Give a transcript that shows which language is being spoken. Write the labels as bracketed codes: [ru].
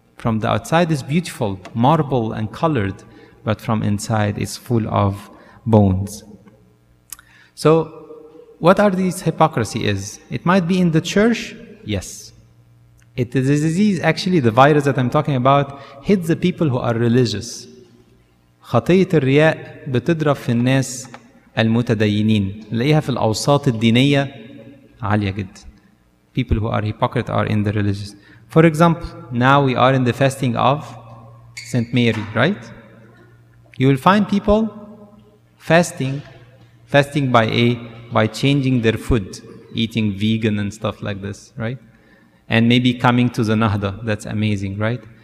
[en] From the outside, it's beautiful, marble and colored. But from inside is full of bones. So what are these hypocrisy is? It might be in the church, yes. It is a disease, actually the virus that I'm talking about hits the people who are religious. [ar] خطيئة الرياء بتضرب في الناس المتدينين. لقيها في الأوساط الدينية عالية جدا. [en] People who are hypocrite are in the religious. For example, now we are in the fasting of Saint Mary, right? You will find people fasting by changing their food, eating vegan and stuff like this, right? And maybe coming to the Nahda, that's amazing, right?